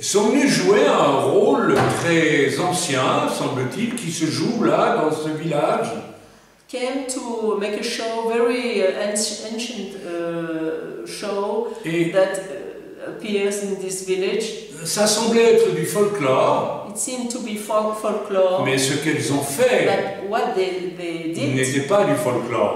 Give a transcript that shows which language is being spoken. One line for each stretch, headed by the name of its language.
French: sont venues jouer un rôle très ancien, semble-t-il, qui se joue là dans ce village.
English: Came to make a show, very ancient show et that appears in this village.
French: Ça semblait être du folklore.
English: It seemed to be folklore.
French: Mais ce qu'elles ont fait n'était pas du folklore.